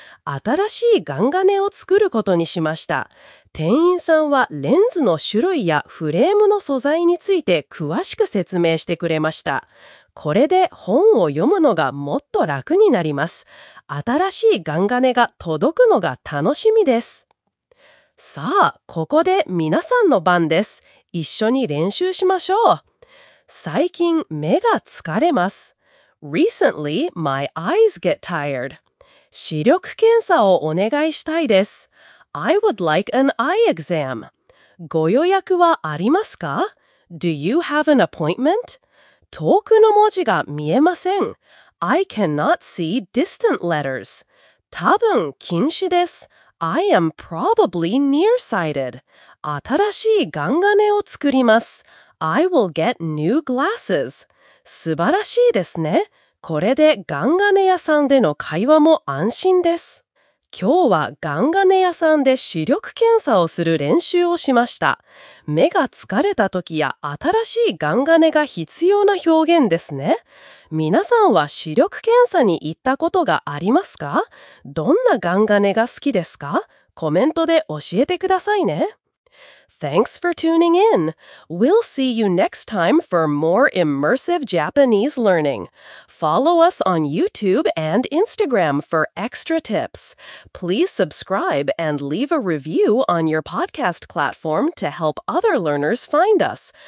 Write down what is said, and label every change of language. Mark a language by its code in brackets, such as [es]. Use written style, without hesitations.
[ja] 新しい眼鏡を作ることにしました。店員さんはレンズの種類やフレームの素材について詳しく説明してくれました。これで本を読むのがもっと楽になります。新しい眼鏡が届くのが楽しみです。さあ、ここで皆さんの番です。一緒に練習しましょう。最近目が疲れます。 [en] Recently, my eyes get tired. [ja] 視力検査をお願いしたいです。 [en] I would like an eye exam. [ja] ご予約はありますか? [en] Do you have an appointment? [ja] 遠くの文字が見えません。 [en] I cannot see distant letters. [ja] 多分近視です。 [en] I am probably nearsighted. [ja] 新しい眼鏡を作ります。 [en] I will get new glasses. [ja] 素晴らしいですね。これで眼鏡屋さんでの会話も安心です。今日は眼鏡屋さんで視力検査をする練習をしました。目が疲れた時や新しい眼鏡が必要な表現ですね。皆さんは視力検査に行ったことがありますか? どんな眼鏡が好きですか?コメントで教えてくださいね。 [en] Thanks for tuning in. We'll see you next time for more immersive Japanese learning. Follow us on YouTube and Instagram for extra tips. Please subscribe and leave a review on your podcast platform to help other learners find us.